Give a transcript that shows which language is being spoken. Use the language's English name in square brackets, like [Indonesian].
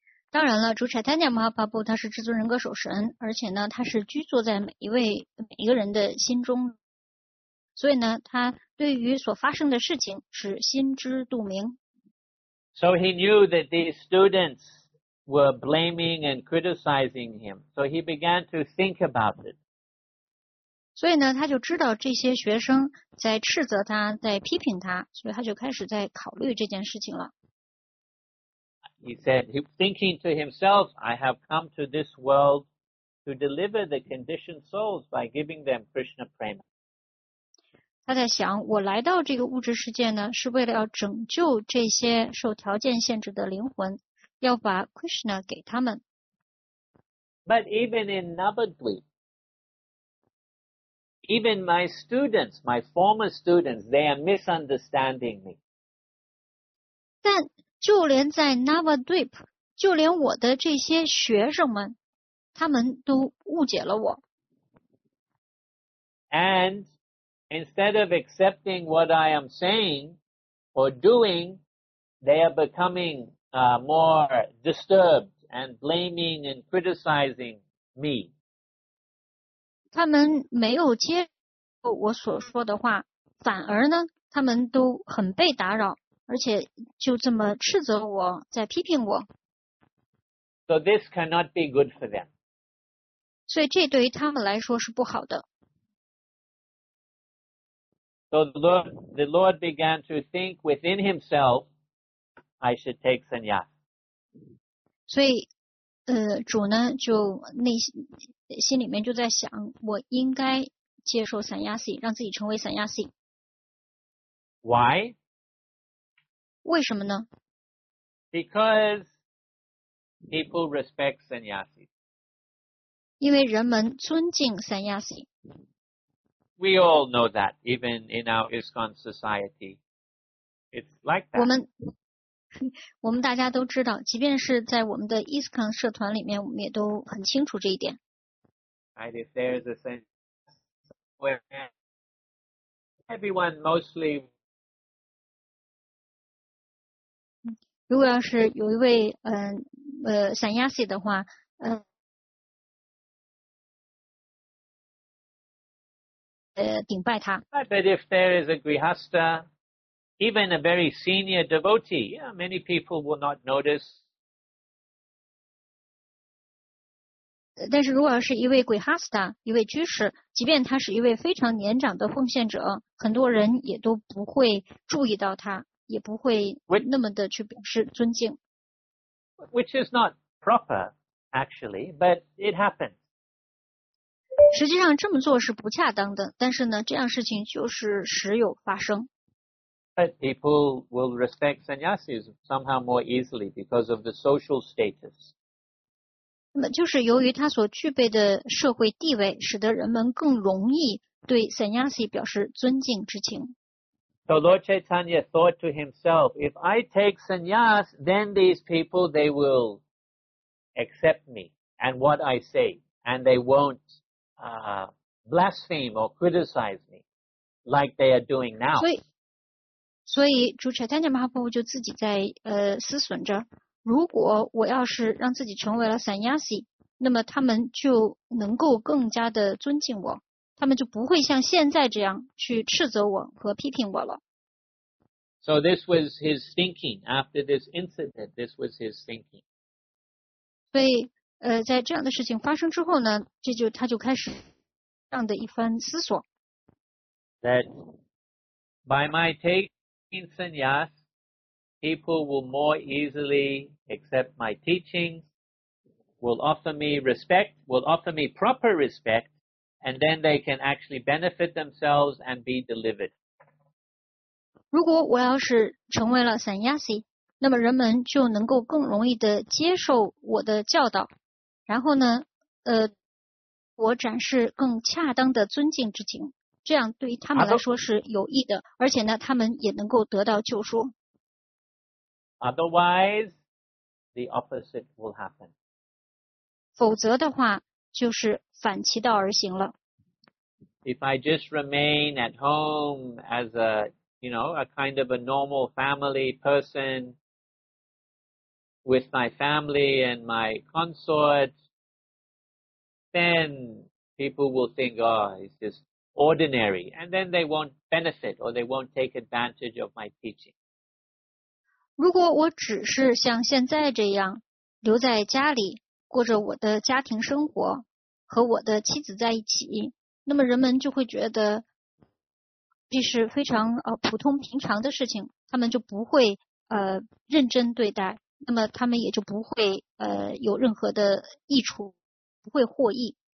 [Chinese] 当然了，主查坦尼亚马哈帕布他是至尊人格守神，而且呢，他是居住在每一个人的心中，所以呢，他对于所发生的事情是心知肚明。 [English] So he knew that these students were blaming and criticizing him, so he began to think about it. [Chinese] 所以呢，他就知道这些学生在斥责他，在批评他，所以他就开始在考虑这件事情了。 [English] He said, thinking to himself, I have come to this world to deliver the conditioned souls by giving them Krishna Prema. [Chinese] 他在想，我来到这个物质世界呢，是为了要拯救这些受条件限制的灵魂，要把 Krishna 给他们。 [English] But even in Navadvip, even my students, my former students, they are misunderstanding me. [Chinese] 但就连在 Navadvip, 就连我的这些学生们，他们都误解了我。 [English] And instead of accepting what I am saying or doing, they are becoming more disturbed and blaming and criticizing me. [Chinese] 他们没有接受我所说的话，反而呢，他们都很被打扰，而且就这么斥责我，在批评我。 [English] So this cannot be good for them. [Chinese] 所以这对于他们来说是不好的。 [English] So the Lord began to think within himself, I should take sannyas. [Chinese] 所以主呢就内心里面就在想，我应该接受sannyasi，让自己成为sannyasi。 [English] Why? [Chinese] 为什么呢？ [English] Because people respect sannyasi. [Chinese] 因为人们尊敬sannyasi。 [English] We all know that, even in our ISKCON society. It's like that. [Chinese] 我们大家都知道，即便是在我们的 ISKCON 社团里面，我们也都很清楚这一点。 [English] And if there's a sense where everyone mostly... [Chinese] 如果要是有一位sannyasi 的话，顶拜他。 [English] But if there is a grihastha, even a very senior devotee, yeah, many people will not notice. [Chinese] 但是如果要是一位 grihastha, 一位居士，即便他是一位非常年长的奉献者，很多人也都不会注意到他。也不会那么的去表示尊敬。 [English] Which is not proper, actually, but it happens. [Chinese] 实际上这么做是不恰当的，但是呢，这样事情就是时有发生。 [English] But people will respect sannyasis somehow more easily because of the social status. [Chinese] 那么就是由于他所具备的社会地位，使得人们更容易对 sannyasi 表示尊敬之情。 [English] So Lord Chaitanya thought to himself, if I take sannyas, then these people, they will accept me and what I say, and they won't blaspheme or criticize me like they are doing now. [Chinese] 所以主 Chaitanya Mahaprabhu 就自己在思忖着，如果我要是让自己成为了 sannyasi, 那么他们就能够更加的尊敬我。他们就不会像现在这样去斥责我和批评我了。 [English] So this was his thinking after this incident. This was his thinking. [Chinese] 所以，在这样的事情发生之后呢，他就开始这样的一番思索。 [English] That by my taking sannyas, people will more easily accept my teachings, will offer me respect, will offer me proper respect. And then they can actually benefit themselves and be delivered. [Chinese] 如果我要是成为了 sannyasi, 那么人们就能够更容易的接受我的教导，然后呢，我展示更恰当的尊敬之情，这样对于他们来说是有益的，而且呢，他们也能够得到救赎。 [English] Otherwise, the opposite will happen. [Chinese] 否则的话，就是反其道而行了。 [English] If I just remain at home as a, you know, a kind of a normal family person with my family and my consort, then people will think, oh, it's just ordinary. And then they won't benefit or they won't take advantage of my teaching. [Chinese] 如果我只是像现在这样留在家里过着我的家庭生活，和我的妻子在一起，那么人们就会觉得这是非常普通平常的事情，他们就不会认真对待，那么他们也就不会有任何的益处，不会获益。